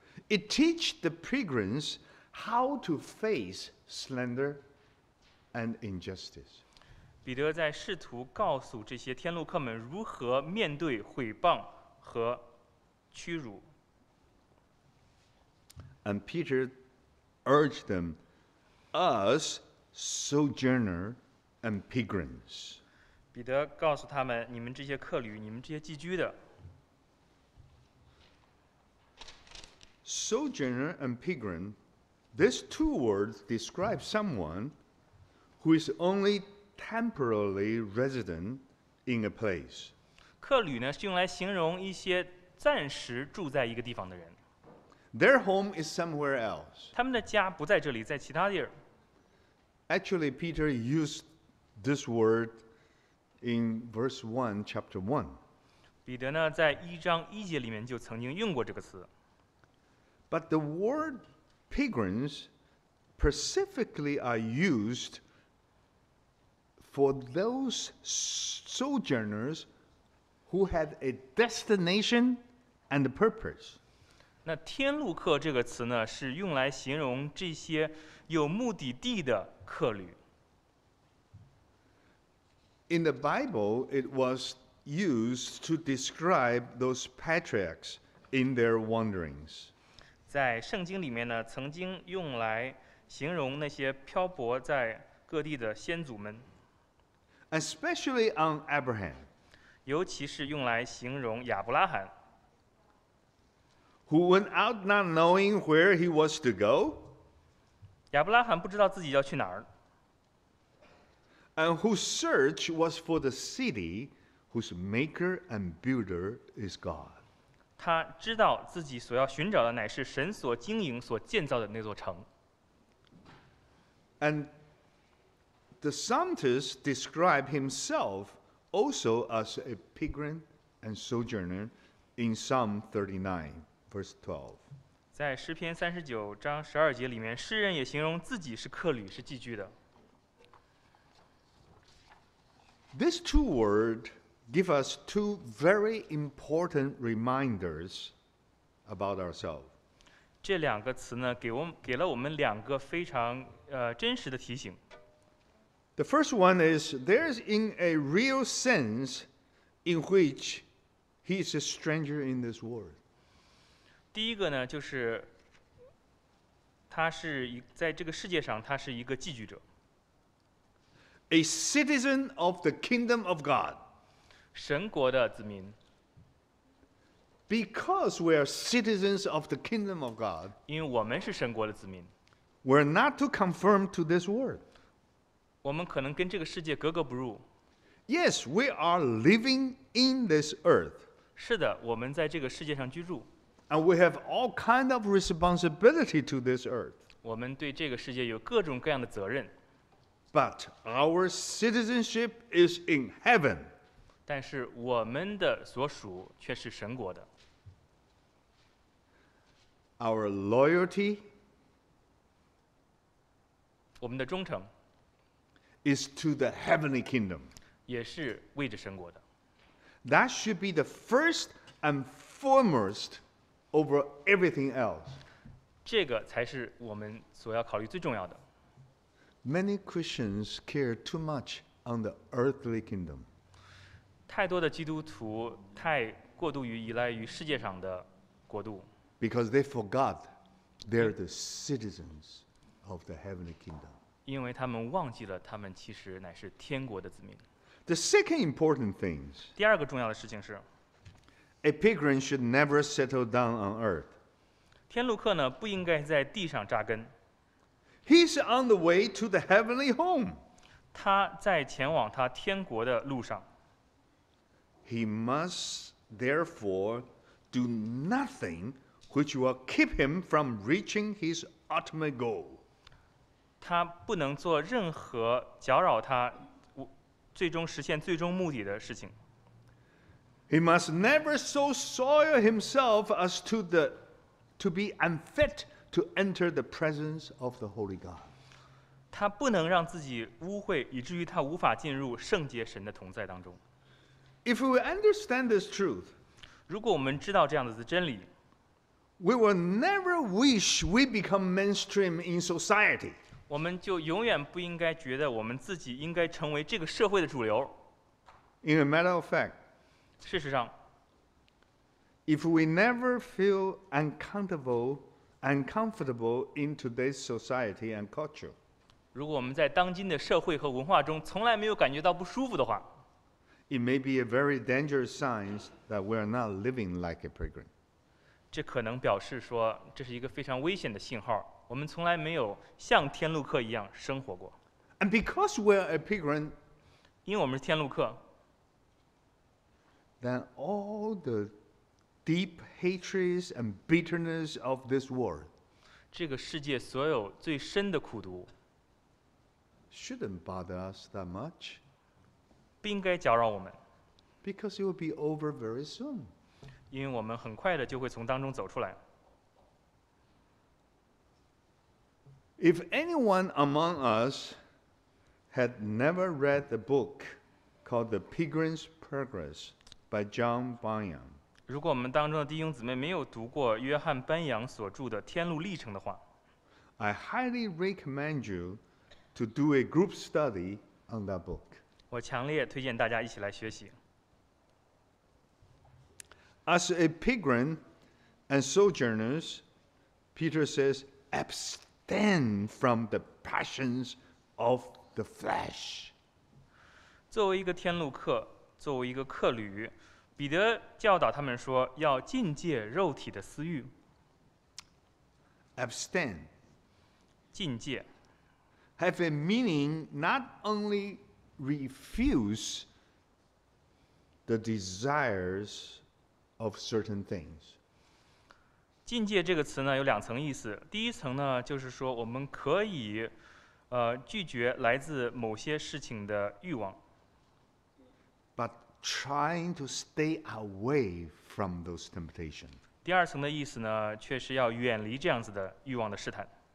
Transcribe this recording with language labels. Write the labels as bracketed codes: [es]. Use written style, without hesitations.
[en] it teach the pilgrims how to face slander and injustice. [zh] 彼得在试图告诉这些天路客们如何面对毁谤和屈辱。 [en] And Peter urged them, us sojourner and pilgrims. [zh] 彼得告诉他们你们这些客旅你们这些寄居的 [en] Sojourner and pilgrim These two words describe someone Who is only temporarily resident in a place [zh] 客旅呢是用来形容一些暂时住在一个地方的人 [en] Their home is somewhere else [zh] 他们的家不在这里在其他地儿 [en] Actually Peter used this wordIn verse 1, chapter 1. [zh] 彼得呢在一章一节里面就曾经用过这个词。 [en] But the word pilgrims specifically are used for those sojourners who had a destination and a purpose. [zh] 那天路客这个词呢是用来形容这些有目的地的客旅。 [en] In the Bible, it was used to describe those patriarchs in their wanderings. [zh] 在圣经里面呢，曾经用来形容那些漂泊在各地的先祖们。 [en] Especially on Abraham. [zh] 尤其是用来形容亚伯拉罕。 [en] Who went out not knowing where he was to go? [zh] 亚伯拉罕不知道自己要去哪儿。 [en] and whose search was for the city whose maker and builder is God. [zh] 他知道自己所要寻找的乃是神所经营所建造的那座城。 [en] And the psalmist described himself also as a pilgrim and sojourner in Psalm 39, verse 12. [zh] 在诗篇三十九章十二节里面，诗人也形容自己是客旅，是寄居的。 [en] These two words give us two very important reminders about ourselves. [zh] 这两个词呢，给了我们两个非常真实的提醒。 [en] The first one is there is in a real sense in which he is a stranger in this world. [zh] 第一个呢，就是他是在这个世界上，他是一个寄居者。 [en] A citizen of the kingdom of God. [zh] 神国的子民。 [en] Because we are citizens of the kingdom of God. [zh] 因为我们是神国的子民。 [en] We're not to conform to this world. [zh] 我们可能跟这个世界格格不入。 [en] Yes, we are living in this earth. [zh] 是的，我们在这个世界上居住。 [en] And we have all kind of responsibility to this earth. [zh] 我们对这个世界有各种各样的责任。 [en] But our citizenship is in heaven. [zh] 但是我们的所属却是神国的。 [en] Our loyalty, [zh] 我们的忠诚 [en] is to the heavenly kingdom. [zh] 也是为着神国的。 [en] That should be the first and foremost over everything else. [zh] 这个才是我们所要考虑最重要的。 [en] Many Christians care too much on the earthly kingdom. [zh] 太多的基督徒太过度于依赖于世界上的国度。 [en] Because they forgot they're the citizens of the heavenly kingdom. [zh] 因为他们忘记了他们其实乃是天国的子民。 [en] The second important thing. [zh] 第二个重要的事情是 [en] A pilgrim should never settle down on earth. [zh] 天路客呢不应该在地上扎根。 [en] He's on the way to the heavenly home. [zh] 他在前往他天国的路上。 [en] He must therefore do nothing which will keep him from reaching his ultimate goal. [zh] 他不能做任何搅扰他最终实现最终目的的事情。 [en] He must never so soil himself as to be unfit. To enter the presence of the Holy God. [zh] 他不能让自己污秽，以至于他无法进入圣洁神的同在当中。 [en] If we understand this truth, [zh] 如果我们知道这样的真理， [en] we will never wish we become mainstream in society. [zh] 我们就永远不应该觉得我们自己应该成为这个社会的主流。 [en] In a matter of fact, [zh] 事实上， [en] if we never feel uncomfortable. Uncomfortable in today's society and culture. [zh] 如果我们在当今的社会和文化中从来没有感觉到不舒服的话， [en] it may be a very dangerous sign that we are not living like a pilgrim. [zh] 这可能表示说这是一个非常危险的信号，我们从来没有像天路客一样生活过。 [en] And because we are a pilgrim, [zh] 因为我们是天路客， [en] then all the deep hatreds and bitterness of this world. [zh] 这个世界所有最深的苦毒 [en] shouldn't bother us that much. [zh] 不应该搅扰我们 [en] because it will be over very soon. [zh] 因为我们很快的就会从当中走出来。 [en] If anyone among us had never read the book called The Pilgrim's Progress by John Bunyan, [zh] 如果我们当中的弟兄姊妹没有读过约翰·班扬所著的《天路历程》的话， [en] I highly recommend you to do a group study on that book. [zh] 我强烈推荐大家一起来学习。 [en] As a pilgrim and sojourners, Peter says, abstain from the passions of the flesh. [zh] 作为一个天路客，作为一个客旅，彼得教导他们说要禁戒肉体的私欲。 [en] Abstain [zh] 禁戒 [en] Have a meaning not only refuse the desires of certain things. [zh] 禁戒这个词呢有两层意思。第一层呢就是说我们可以拒绝来自某些事情的欲望。 [en] But trying to stay away from those temptations. [zh] 第二层的意思呢却是要远离这样子的欲望的试探。